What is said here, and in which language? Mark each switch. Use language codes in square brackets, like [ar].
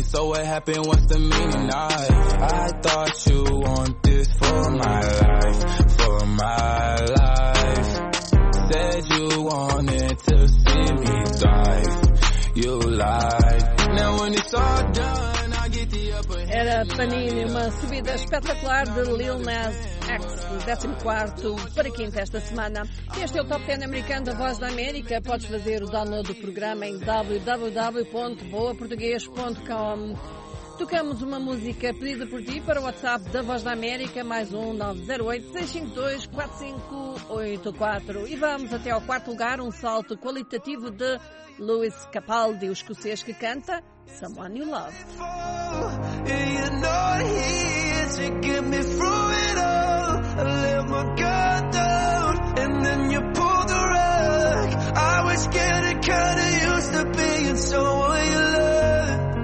[en] So what happened, what's the meaning? I thought you want this for my life, for my life. Said you wanted to see me thrive, you lied. Now when it's all done, I get the upper hand. [pt] Era Panini, uma subida espetacular de Lil Nas X, 14º para 5 esta semana. Este é o Top 10 americano da Voz da América. Podes fazer o download do programa em www.voaportugues.com. Tocamos uma música pedida por ti para o WhatsApp da Voz da América, mais um 908-652-4584. E vamos até ao 4º lugar, um salto qualitativo de Lewis Capaldi, o escocês que canta [en] someone you love. You know here to get me through it all. I let my guard down and then you pulled the rug. I was getting kinda used to being someone you love.